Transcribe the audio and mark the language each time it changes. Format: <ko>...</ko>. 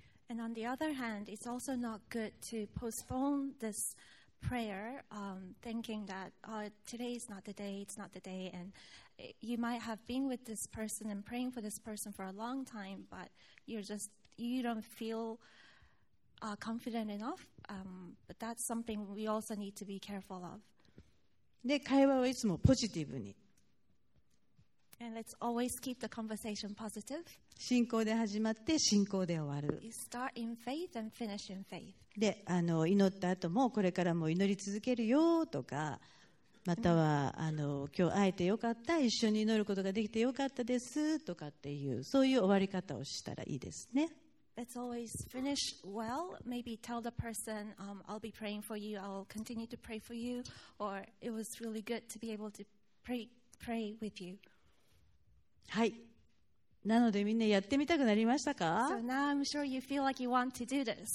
<en>And on the other hand, it's also not good to postpone this prayer, thinking that, today is not the day, it's not the day, andYou might have been with this person and praying for this person for a long time, but you don't feel confident enough. But that's something we also need to be careful of.</en> <ja>で、会話はいつもポジティブに。</ja> <en>And let's always keep the conversation positive.</en> <ja>信仰で始まって信仰で終わる。</ja> <en>You start in faith and finish in faith.</en> <ja>で、祈った後もこれからも祈り続けるよとか、または今日会えてよかった、一緒に祈ることができてよかったですとかっていう、そういう終わり方をしたらいいですね。</ja> <en>Let's always finish well. Maybe tell the person, I'll be praying for you, I'll continue to pray for you, or it was really good to be able to pray with you.</en> <ja>はい。なのでみんなやってみたくなりましたか?</ja> <en>So now I'm sure you feel like you want to do this.</en>